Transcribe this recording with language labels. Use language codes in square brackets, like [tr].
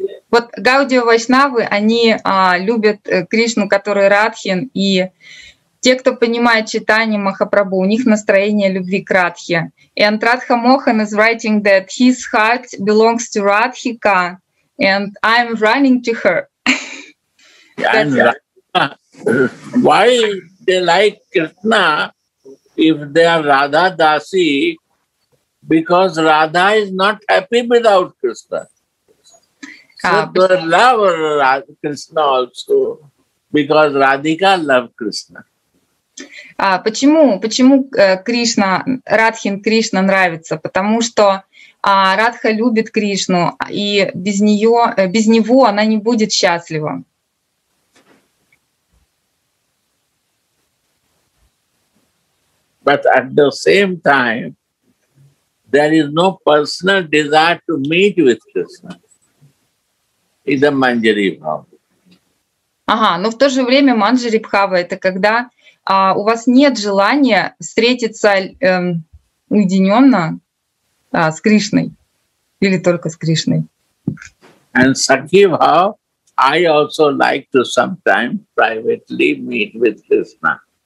[ru] Вот Гаудия Вайшнавы, они любят Кришну, который Радхин, и те, кто понимает читание Махапрабху, у них настроение любви к Радхе. [en] And Radha Mohan is writing that his heart belongs to Radhika, and I'm running to her. Why they like Krishna if they are Radha Dasi, Because Radha is not happy without Krishna. So the lover Krishna also, because Radhika loved Krishna. [ru] Почему Кришна, Радхин Кришна нравится? Потому что Радха любит Кришну, и без него она не будет счастлива. [en] But at the same time, there is no personal desire to meet with Krishna. It's a Manjari Bhava. [ru] Ага, но в то же время Манджари Бхава — это когда у вас нет желания встретиться уединенно с Кришной или только с Кришной. [en] And Sakhi Bhava, I also like to sometimes privately meet with Krishna.